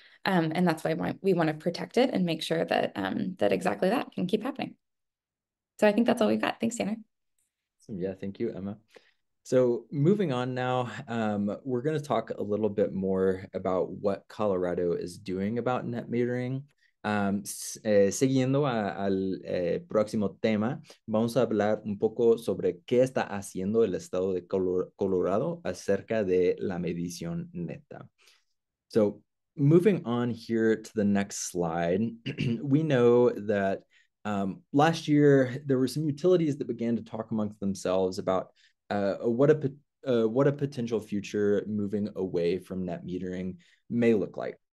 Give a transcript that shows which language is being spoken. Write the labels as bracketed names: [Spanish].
[English] And that's why we want to protect it and make sure that that exactly that can keep happening. So I think that's all we've got. Thanks, Tanner. Yeah, thank you, Emma. So moving on now, we're going to talk a little bit more about what Colorado is doing about net metering. [Spanish] Siguiendo al próximo tema, vamos a hablar un poco sobre qué está haciendo el estado de Colorado acerca de la medición neta. [English] So moving on here to the next slide, we know that last year there were some utilities that began to talk amongst themselves about what a potential future moving away from net metering may look like.